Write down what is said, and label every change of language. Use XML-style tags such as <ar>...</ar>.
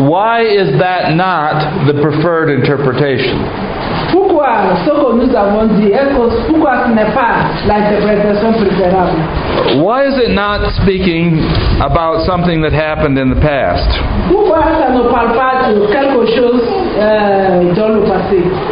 <en>Why is that not the preferred interpretation?</en> <fr>Pourquoi ce que nous avons dit, pourquoi ce n'est pas l'interprétation préférable?</fr> <en>Why is it not speaking about something that happened in the past?</en> <fr>Pourquoi ça ne parle pas de quelque chose dans le passé?</fr>